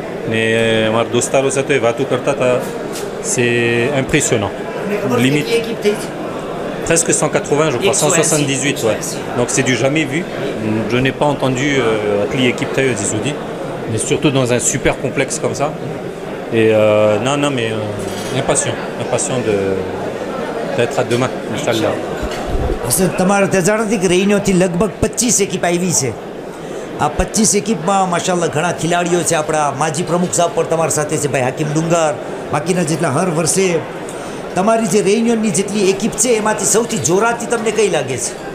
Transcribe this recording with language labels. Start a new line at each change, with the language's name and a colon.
Gujarati: ને મારા દોસ્તારો સાથે વાતો કરતા હતા, સે impression
English: લિમિટ
French: presque 180 je crois 178 ouais donc c'est du jamais vu. Je n'ai pas entendu appeler équipe taille d'Isoudi mais surtout dans un super complexe comme ça. Et non mais impatient de d'être à demain inchallah.
Gujarati: તમારે તે જાણતી કે રૈનોથી લગભગ 25 એકીપ આવી છે. આ 25 એકીપમાં માશાલ્લાહ ઘણા ખેલાડીઓ છે આપણા. માજી પ્રમુખ સાહેબ પણ તમારી સાથે છે, ભાઈ હાકીમ ડુંગર, બાકીના જેટલા હર વર્ષે. તમારી જે રૈનોની જેટલી એકીપ છે એમાંથી સૌથી જોરાતી તમને કઈ લાગે છે?